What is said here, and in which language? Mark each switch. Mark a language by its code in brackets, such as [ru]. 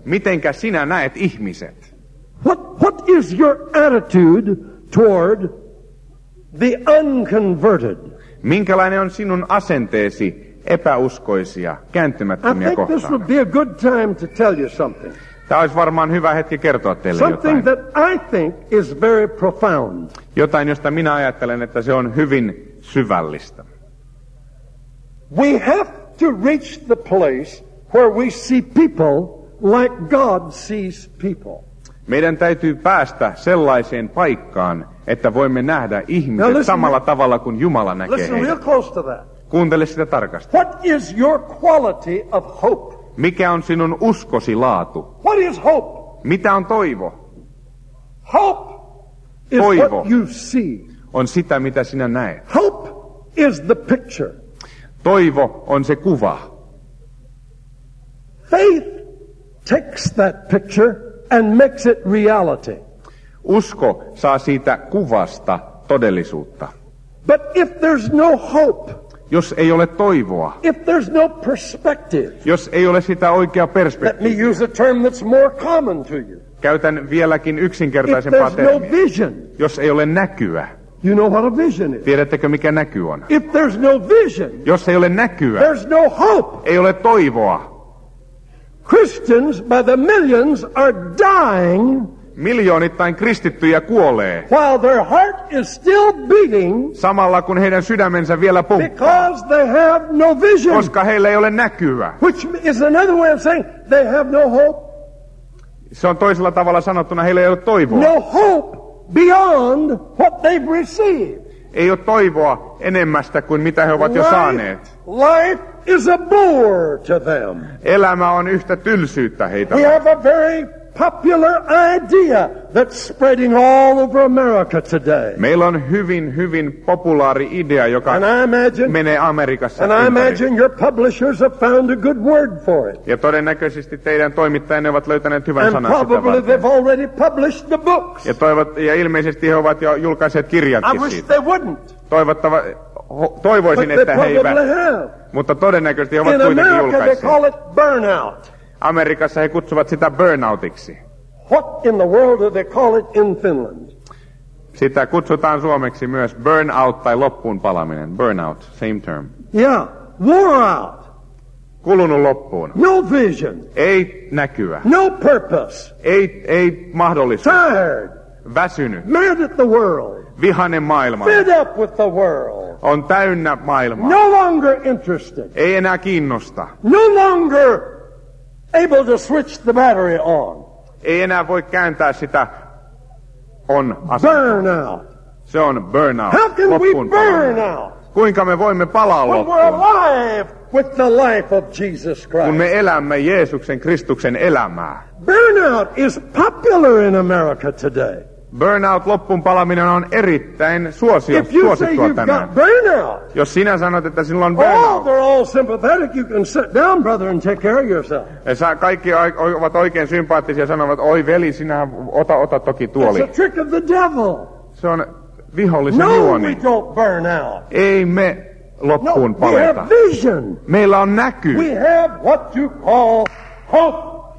[fi] Mitenkä sinä näet ihmiset? [en] What is your attitude toward the unconverted? [fi] Minkälainen on sinun asenteesi epäuskoisia, kääntymättömiä kohtaan? [en] I think this would be a good time to tell you something. [fi] Tämä olisi varmaan hyvä hetki kertoa teille [en] something [fi] jotain. [en] That I think is very profound. [fi] Jotain, josta minä ajattelen, että se on hyvin syvällistä. [en] We have to reach the place where we see people like God sees people. [fi] Meidän täytyy päästä sellaiseen paikkaan, että voimme nähdä ihmiset [en] listen, [fi] samalla tavalla kuin Jumala näkee [en] listen, [fi] heitä. [en] Real close to that. [fi] Kuuntele sitä tarkasti. [en] What is your quality of hope? [fi] Mikä on sinun uskosi laatu? [en] What is hope? [fi] Mitä on toivo? [en] Hope is [fi] toivo [en] what you see. [fi] On sitä, mitä sinä näet. [en] Hope is the picture. [fi] Toivo on se kuva. [en] Faith takes that picture and makes it reality. [fi] Usko saa siitä kuvasta todellisuutta. [en] But if there's no hope, [fi] jos ei ole toivoa. [en] If there's no perspective. [fi] Jos ei ole sitä oikeaa perspektiiviä. [en] Let me use a term that's more common to you. [fi] Käytän vieläkin yksinkertaisempaa termiä. [en] If there's no vision. [fi] Jos ei ole näkyä. [en] You know what a vision is. [fi] Tiedättekö mikä näky on? [en] If there's no vision. [fi] Jos ei ole näkyä. [en] There's no hope. [fi] Ei ole toivoa. [en] Christians by the millions are dying. [fi] Miljoonittain kristittyjä kuolee. [en] While their heart is still beating. [fi] Samalla kun heidän sydämensä vielä pumppaa. [en] Because they have no vision. [fi] Koska heillä ei ole näkyä. [en] Which is another way of saying they have no hope. [fi] Se on toisella tavalla sanottuna heillä ei ole toivoa. [en] No hope beyond what they've received. [fi] Ei ole toivoa enemmästä kuin mitä he ovat jo saaneet. [en] Life is a bore to them. [fi] Elämä on yhtä tylsyyttä heitä. [en] We have a very popular idea that's spreading all over America today. [fi] Meillä on hyvin populaari idea, joka menee Amerikassa. [en] And I imagine your publishers have found a good word for it. [fi] Ja todennäköisesti teidän toimittajanne ovat löytäneet hyvän sanan sitä varten. [en] And probably they've already published the books. [fi] Ja ilmeisesti he ovat jo julkaiseet kirjankin siitä. [en] I wish they wouldn't. [fi] Toivoisin, että he eivät. Mutta todennäköisesti he ovat kuitenkin julkaisseet. [en] They call it burnout. [fi] Amerikassa he kutsuvat sitä burnoutiksi. [en] What in the world do they call it in Finland? [fi] Sitä kutsutaan suomeksi myös burnout tai loppuun palaminen. [en] Burnout, same term. Yeah, wore out. [fi] Kulunut loppuun. [en] No vision. [fi] Ei näkyä. [en] No purpose. [fi] Ei mahdollisuutta. [en] Tired. [fi] Väsynyt. [en] Mad at the world. [fi] Vihainen maailma. [en] Fed up with the world. [fi] On täynnä maailmaa. [en] No longer interested. [fi] Ei enää kiinnosta. [en] No longer able to switch the battery on. [fi] Ei enää voi kääntää sitä on asentoa. [en] Burnout. [fi] Se on burnout. [en] How can we burn out? [fi] Kuinka me voimme palaa loppuun? [en] When we're alive with the life of Jesus Christ. [fi] Kun me elämme Jeesuksen Kristuksen elämää. [en] Burnout is popular in America today. [fi] Burnout, loppuun palaminen on erittäin suosittua tänään. Jos sinä sanot, että sinulla on burnout. [en] Oh, they're all sympathetic. You can sit down, brother, and take care of yourself. [fi] Kaikki ovat oikein sympaattisia ja sanovat, oi veli, sinähän ota toki tuoli. [en] It's a trick of the devil. [fi] Se on vihollisen juoni. [en] No, we don't burn out. [fi] Ei me loppuun [en] no, [fi] paleta. [en] We have vision. [fi] Meillä on näky. [en] We have what you call hope.